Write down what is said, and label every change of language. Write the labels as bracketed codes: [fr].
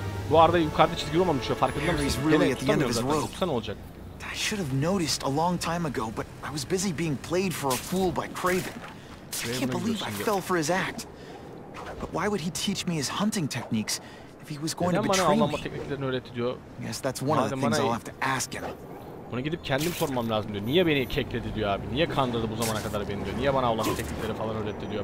[tr] Bu arada yukarıda çizgi olmamış ya, farkında mısın? [en] Really at the end of his rope. [tr] Tutsan olacak. [en] I should have noticed a long time ago, but I was busy being played for a fool by Kraven. I can't believe I fell for his act. But why would he teach me his hunting techniques if he was going to betray me? [tr] Neden bana avlanma tekniklerini öğretti diyor. [en] Yes, that's one of the things I'll have to ask him. [tr] Bunu gidip kendim sormam lazım diyor. Niye beni kekledi diyor abi. Niye kandırdı bu zamana kadar beni diyor. Niye bana avlanma teknikleri falan öğretti diyor.